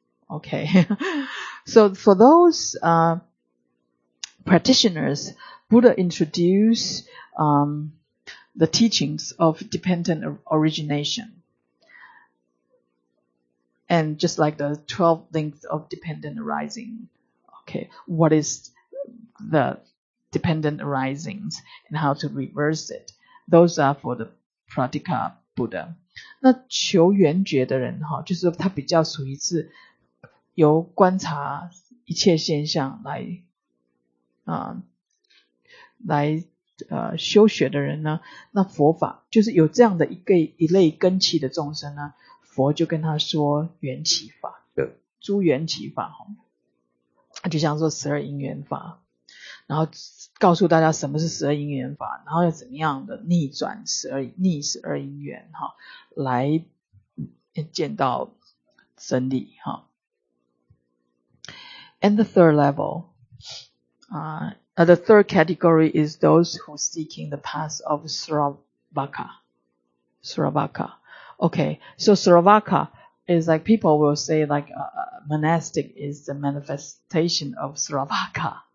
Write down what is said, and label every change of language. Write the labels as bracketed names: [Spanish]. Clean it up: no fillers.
[English] Okay, so for those practitioners, Buddha introduced the teachings of dependent origination. And just like the 12 links of dependent arising. Okay, what is the dependent arisings and how to reverse it? Those are for the Pratyekabuddha. [Chinese] 那求缘觉的人，就是他比较属于是由观察一切现象来修学的人呢，那佛法就是有这样的一类根器的众生呢，佛就跟他说缘起法，诸缘起法，就像说十二因缘法，然后告诉大家什么是十二因缘法，然后要怎么样的逆十二因缘来见到真理。 [English] And the third level, the third category is those who seeking the path of Sravaka. Okay, so Sravaka is like people will say like monastic is the manifestation of Sravaka.